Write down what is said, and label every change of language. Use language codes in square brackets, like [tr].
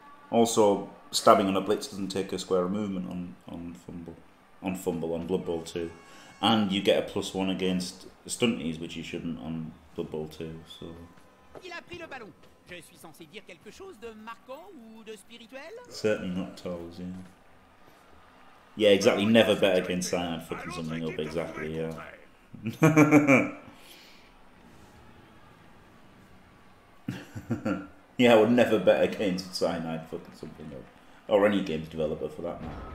[en] Also, stabbing on a blitz doesn't take a square of movement on Blood Bowl 2. And you get a plus one against stunties, which you shouldn't on Blood Bowl 2, so... [fr] Il a pris le ballon. Je suis censé dire quelque chose de marquant ou de spirituel? [en] Certainly not Tolls, yeah. Yeah, exactly. Never bet against Cyan fucking something up, exactly, yeah. Yeah, I would never bet against Cyanide fucking something up. Or any games developer for that matter.